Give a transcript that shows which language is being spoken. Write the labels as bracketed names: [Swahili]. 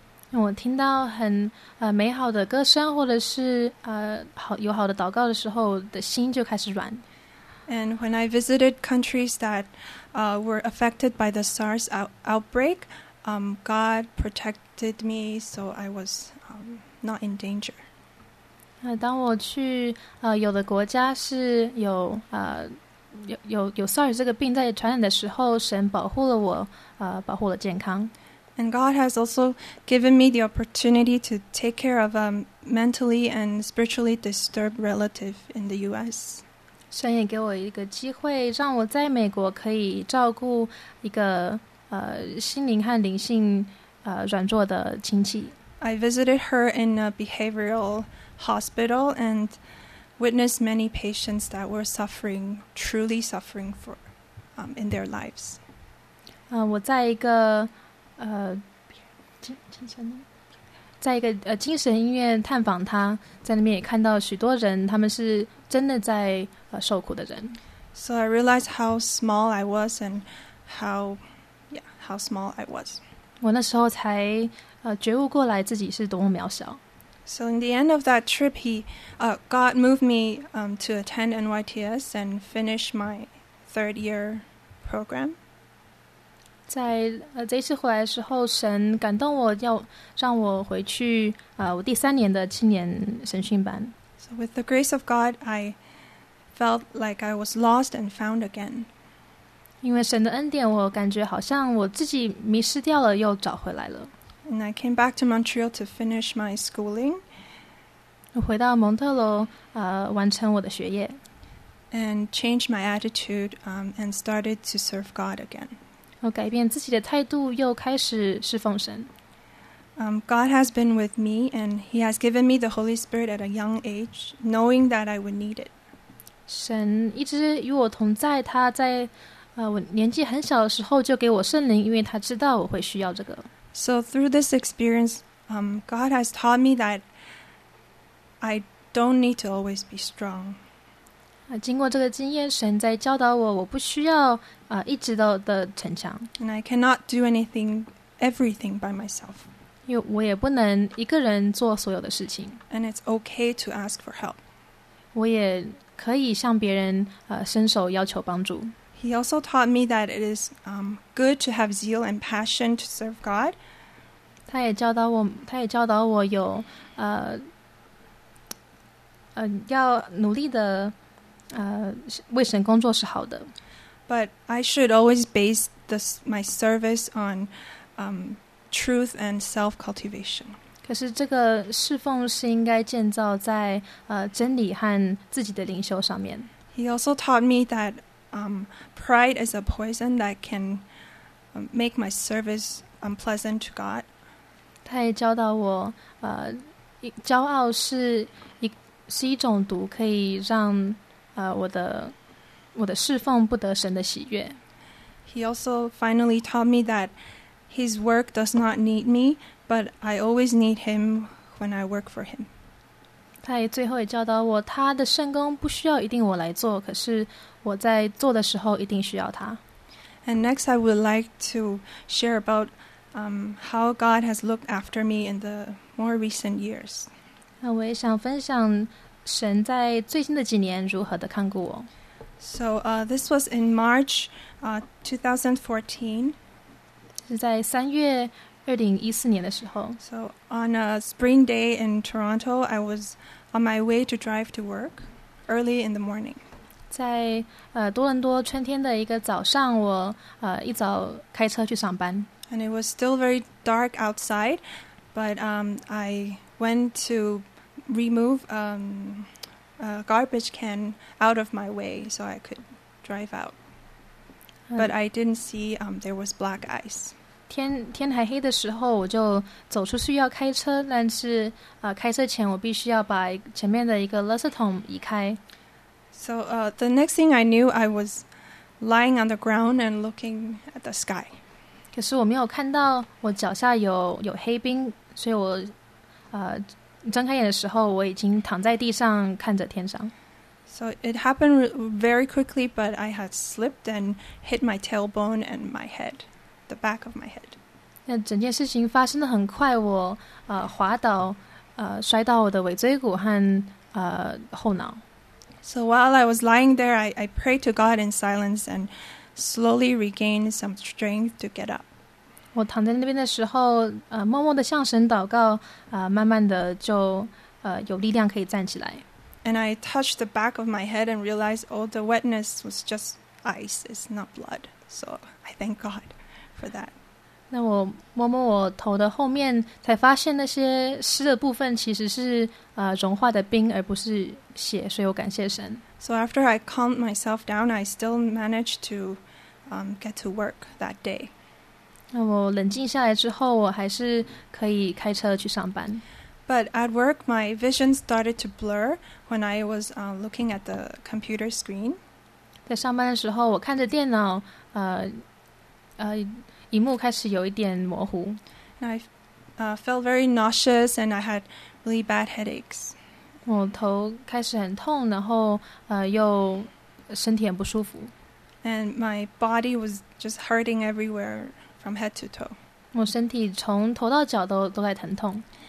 [Chinese] 我听到很美好的歌声，或者是友好的祷告的时候，我的心就开始软。 [English] And when I visited countries that were affected by the SARS outbreak, God protected me, so I was not in danger. [Chinese] 当我去有的国家是有 SARS 这个病在传染的时候，神保护了我，保护了健康。 [English] And God has also given me the opportunity to take care of a mentally and spiritually disturbed relative in the U.S. [Chinese] 神也给我一个机会，让我在美国可以照顾一个心灵和灵性软弱的亲戚。 [English] I visited her in a behavioral hospital and witnessed many patients that were suffering, truly suffering for, in their lives. [Chinese] 我在一个精神医院探访他，在那边也看到许多人，他们是真的在受苦的人。 [English] So I realized how small I was and how small I was. [Chinese] 我那时候才觉悟过来自己是多么渺小。 [English] So in the end of that trip, God moved me to attend NYTS and finish my third year program. [Chinese] 在这一次回来的时候，神感动我要让我回去我第三年的青年神训班。 [English] So with the grace of God, I felt like I was lost and found again. [Chinese] 因为神的恩典，我感觉好像我自己迷失掉了，又找回来了。 [English] And I came back to Montreal to finish my schooling. [Chinese] 我回到蒙特楼，完成我的学业。 [English] And changed my attitude, and started to serve God again. [Chinese] 我改变自己的态度，又开始侍奉神。 [English] God has been with me, and He has given me the Holy Spirit at a young age, knowing that I would need it. [Chinese] 神一直与我同在，他在我年纪很小的时候就给我圣灵，因为他知道我会需要这个。 [English] So through this experience, God has taught me that I don't need to always be strong. [Chinese] 经过这个经验，神在教导我，我不需要一直都的逞强。 [English] And I cannot do everything by myself. [Chinese] 因为我也不能一个人做所有的事情。 [English] And it's okay to ask for help. [Chinese] 我也可以向别人伸手要求帮助。 [English] He also taught me that it is good to have zeal and passion to serve God. [Chinese] 他也教导我有要努力的为神工作是好的。 [English] But I should always base my service on truth and self-cultivation. [Chinese] 可是这个侍奉是应该建造在真理和自己的灵修上面。 [English] He also taught me that pride is a poison that can make my service unpleasant to God. [Chinese] 他也教导我，骄傲是一种毒，可以让我的侍奉不得神的喜悦。 [English] He also finally taught me that His work does not need me, but I always need Him when I work for Him. [Chinese] 他也最后也教导我，他的圣工不需要一定我来做，可是我在做的时候一定需要他。 [English] And next, I would like to share about how God has looked after me in the more recent years. [Chinese] 那我也想分享神在最近的几年如何的看顾我。 [English] So this was in March 2014. [Chinese] 是在三月2014年的时候。 [English] So on a spring day in Toronto, I was on my way to drive to work early in the morning. [Chinese] 在多伦多春天的一个早上，我一早开车去上班。 [English] And it was still very dark outside, but I went to remove a garbage can out of my way so I could drive out. But I didn't see there was black ice. [Chinese] 天还黑的时候，我就走出去要开车，但是开车前我必须要把前面的一个垃圾桶移开。 [English] So the next thing I knew, I was lying on the ground and looking at the sky. [Chinese] 可是我没有看到我脚下有黑冰，所以我睁开眼的时候，我已经躺在地上看着天上。 [English] So it happened very quickly, but I had slipped and hit my tailbone and my head. The back of my head. [Chinese] 那整件事情发生得很快，我滑倒，摔到我的尾椎骨和后脑。 [English] So while I was lying there, I prayed to God in silence and slowly regained some strength to get up. [Chinese] 我躺在那边的时候，默默的向神祷告，慢慢的就有力量可以站起来。 [English] And I touched the back of my head and realized, oh, the wetness was just ice; it's not blood. So I thank God. [Chinese] 那我摸摸我头的后面，才发现那些湿的部分其实是融化的冰，而不是血，所以我感谢神。 [English] So after I calmed myself down, I still managed to get to work that day. [Chinese] 那我冷静下来之后，我还是可以开车去上班。 [English] But at work, my vision started to blur when I was looking at the computer screen. [Chinese] 在上班的时候，我看着电脑，萤幕开始有一点模糊。 [English] And I felt very nauseous and I had really bad headaches. [Chinese] 我头开始很痛，然后又身体很不舒服。 [English] And my body was just hurting everywhere from head to toe. [Chinese] 我身体从头到脚都在疼痛。